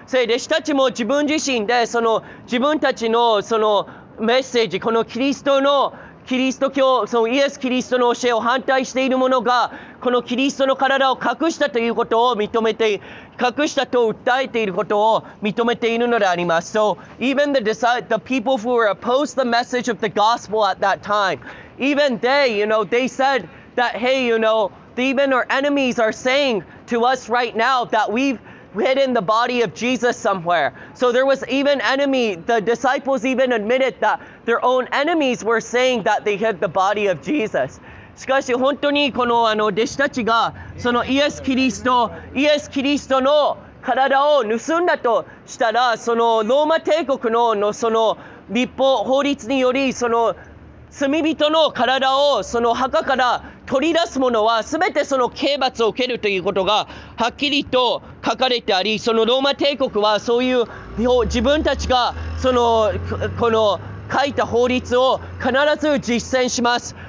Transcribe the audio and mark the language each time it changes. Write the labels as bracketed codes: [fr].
[ja] それで弟子たちも自分自身でその自分たちのそのメッセージこのキリスト教そのイエス・キリストの教えを反対している者がこのキリストの体を隠したということを認めていることを認めているのであります。 [en] So even the people who were opposed the message of the gospel at that time, even they, you know, they said that, hey, you know, even our enemies are saying to us right now that we've hidden the body of Jesus somewhere. So there was even enemy, the disciples even admitted that their own enemies were saying that they hid the body of Jesus. [ja] しかし本当にこの弟子たちがそのイエス・キリストの体を盗んだとしたらそのローマ帝国のその立法法律によりその罪人の体をその墓から取り出す者は全てその刑罰を受けるということがはっきりと書かれてありそのローマ帝国はそういう自分たちがそのこの書いた法律を必ず実践します。